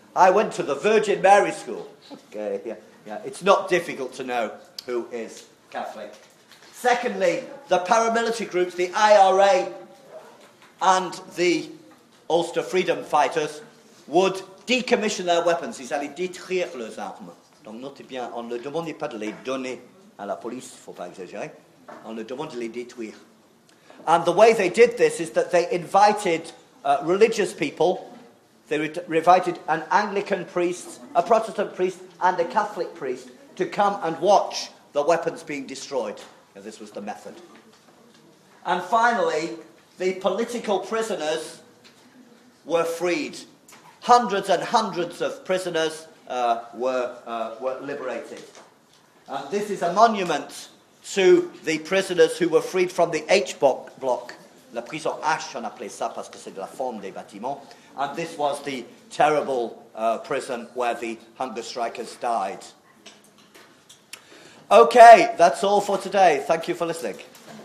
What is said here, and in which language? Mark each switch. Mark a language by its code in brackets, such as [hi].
[en] I went to the Virgin Mary School. Okay, yeah. It's not difficult to know who is Catholic. Secondly, the paramilitary groups, the IRA and the Ulster Freedom Fighters, would decommission their weapons. [fr] Ils allaient détruire leurs armes. Donc notez bien, on ne demandait pas de les donner à la police, il ne faut pas exagérer. On le demandait de les détruire. [en] And the way they did this is that they invited religious people. They invited an Anglican priest, a Protestant priest, and a Catholic priest to come and watch the weapons being destroyed. And this was the method. And finally, the political prisoners were freed. Hundreds and hundreds of prisoners were liberated. This is a monument to the prisoners who were freed from the H block. [fr] La prison H, on appelait ça parce que c'est de la forme des bâtiments. [en] And this was the terrible prison where the hunger strikers died. Okay, that's all for today. Thank you for listening.